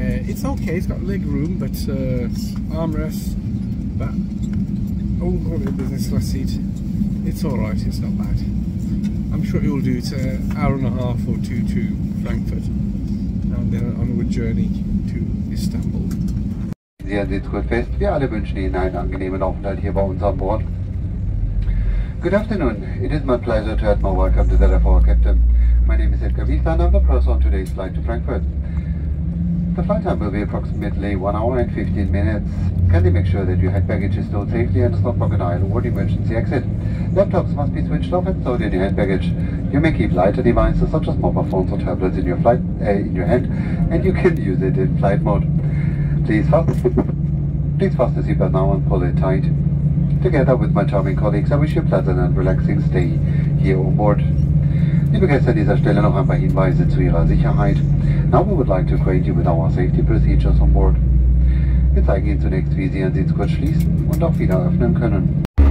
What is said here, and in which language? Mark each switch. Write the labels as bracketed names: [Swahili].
[English] It's okay, it's got leg room, but armrests, but I wouldn't call it a business class seat. It's alright, it's not bad. I'm sure it will do. It's an hour and a half or two to Frankfurt, and then an onward journey to Istanbul. [German] Sehr sitzgutfest. Wir alle wünschen Ihnen einen angenehmen Aufenthalt hier bei uns an Bord. [English] Good afternoon. It is my pleasure to add my welcome to the Therefore Captain. My name is Edgar Wiesner and I'm the purser on today's flight to Frankfurt. The flight time will be approximately 1 hour and 15 minutes. Kindly make sure that your hand baggage is stored safely and stop for an aisle or emergency exit. Laptops must be switched off and stored in your hand baggage. You may keep lighter devices such as mobile phones or tablets in your flight in your hand, and you can use it in flight mode. Please fasten your seatbelt now and pull it tight. Together with my charming colleagues, I wish you a pleasant and relaxing stay here on board. [German] Liebe Gäste, an dieser Stelle noch ein paar Hinweise zu Ihrer Sicherheit. [English] Now we would like to acquaint you with our safety procedures on board. [German] Wir zeigen Ihnen zunächst, wie Sie Ihren Sitzgurt schließen und auch wieder öffnen können.